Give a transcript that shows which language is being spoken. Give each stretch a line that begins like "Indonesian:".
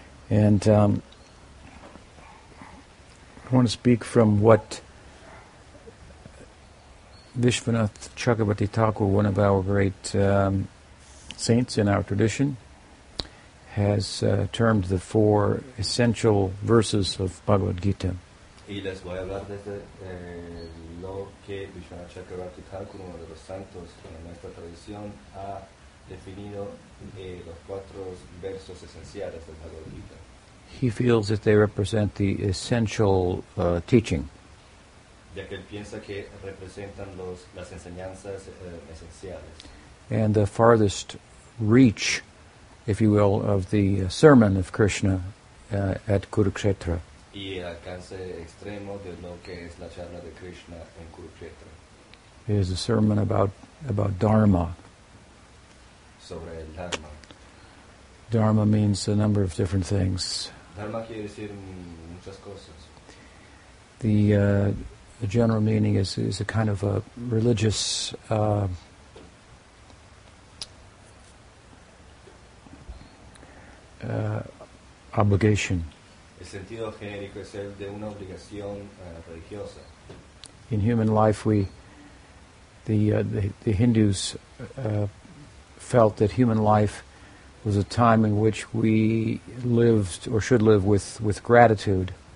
English: And I want to speak from what Visvanatha Chakravarti Thakur, one of our great saints in our tradition, has termed the four essential verses of Bhagavad Gita.
Spanish: Y les voy a hablar desde lo que Visvanatha Chakravarti Thakur, uno de los santos de nuestra tradición, ha definido los cuatro versos esenciales del Bhagavad Gita.
English: He feels that they represent the essential teaching.
Spanish: Ya que él piensa que representan las enseñanzas esenciales.
English: And the farthest reach, if you will, of the sermon of Krishna at Kurukshetra.
Spanish: Y el alcance extremo de lo que es la charla de Krishna en Kurukshetra.
English: It is a sermon about Dharma.
Spanish: Sobre el Dharma.
English: Dharma means a number of different things.
Spanish: Dharma quiere decir muchas cosas.
English: The general meaning is a kind of a religious obligation.
Spanish: El sentido genérico es el de una obligación religiosa.
English: In human life, the Hindus felt that human life was a time in which we lived or should live with gratitude.